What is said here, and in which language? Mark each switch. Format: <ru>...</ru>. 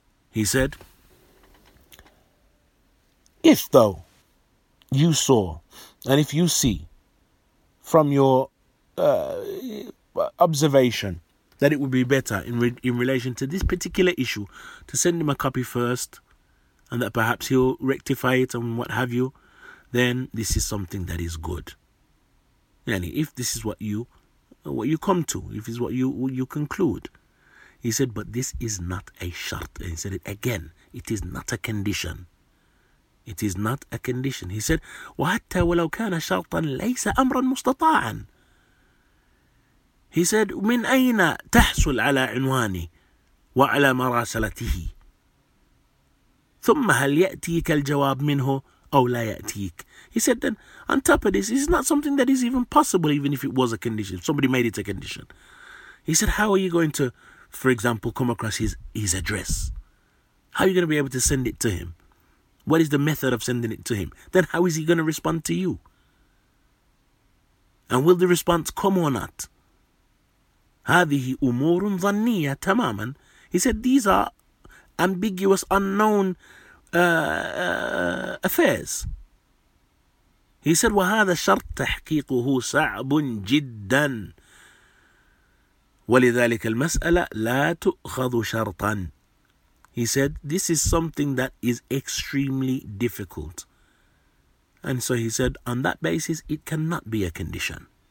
<en>He said, if though you saw, and if you see from your observation that it would be better in relation to this particular issue to send him a copy first, and that perhaps he'll rectify it and what have you, then this is something that is good. Yani, if this is what you come to, if it's what you conclude, he said, but this is not a shart. And he said it again, it is not a condition. It is not a condition. He said,</en> <ar>وَحَتَّى وَلَوْ كَانَ شَرْطًا لَيْسَ أَمْرًا مُسْتَطَاعًا.</ar> <en>He said,</en> <ar>مِنْ أَيْنَ تَحْصُلْ عَلَىٰ عِنْوَانِ وَعَلَىٰ مَرَاسَلَتِهِ ثُمَّ هَلْ يَأْتِيكَ الْجَوَابِ مِنْهُ أَوْ لَا يَأْتِيكَ.</ar> <en>He said, then on top of this, it's not something that is even possible, even if it was a condition. Somebody made it a condition. He said, how are you going to, for example, come across his address? How are you going to be able to send it to him? What is the method of sending it to him? Then how is he going to respond to you? And will the response come or not?</en> <ar>هَذِهِ أُمُورٌ ظَنِّيَّ تَمَامًا.</ar> <en>He said, these are ambiguous, unknown affairs. He said,</en> <ar>وَهَذَا شَرْطَ تَحْقِيقُهُ صَعْبٌ جِدًّا وَلِذَلِكَ الْمَسْأَلَةَ لَا تُؤْخَذُ شَرْطًا.</ar> <en>He said, this is something that is extremely difficult. And so he said, on that basis, it cannot be a condition.</en>